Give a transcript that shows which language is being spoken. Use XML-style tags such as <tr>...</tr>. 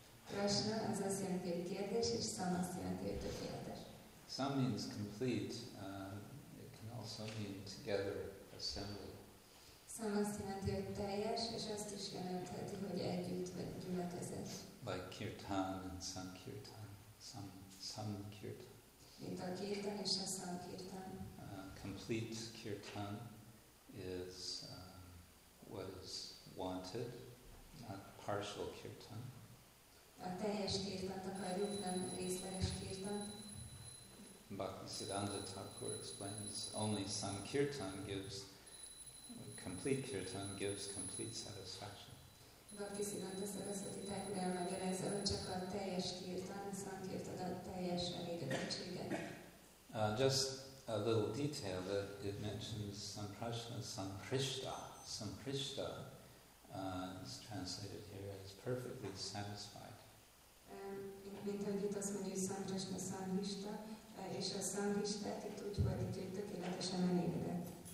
<hu>Prasna az azt jelenti, hogy kérdés, és sam azt jelenti, hogy tökéletes.</hu> <en>Sam means complete. It can also mean together, assembly.</en> <hu>Sam azt jelenti, hogy teljes, és azt is jelentheti, hogy együtt vagy gyülekezet.</hu> <en>Like kirtan and sankirtan, sankirtan.</en> <hu>Mint a kirtan és a sankirtan.</hu> <en>Complete kirtan is what is wanted, not partial kirtan.</en> <hu>A teljes kirtan akarjuk, nem részleges kirtan.</hu> <en>Bhaktisiddhanta Thakur explains only sankirtan gives complete kirtan gives complete satisfaction.</en> <hu>Bhaktisiddhanta Saraswati Thakur elmagyarázza, hogy csak a teljes kirtan sankirtan ad teljes elégedettséget.</hu> <en>Just a little detail that it mentions samprasna samprishta. Samprishta is translated here as perfectly satisfied.</en> <hu>Mint ahogy itt azt mondja, samprasna samprishta, és a samprishta itt úgy fordítja, hogy tökéletesen elégedett.</hu>